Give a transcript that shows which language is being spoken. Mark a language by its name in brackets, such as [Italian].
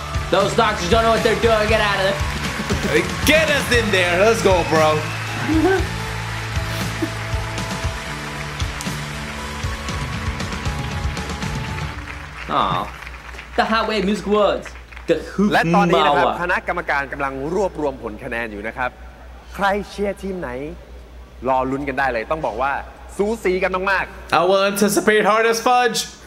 [English] Those doctors don't know what they're doing. Get out of there. Get us in there. Let's go, bro. Aw. The Highway Music Awards. The Hoop Mawa. [Thai] และตอนนี้นะครับคณะกรรมการกำลังรวบรวมผลคะแนนอยู่นะครับใครเชียร์ทีมไหนรอลุ้นกันได้เลยต้องบอกว่าสูสีกันมาก [English] ๆ I will anticipate hard as fudge.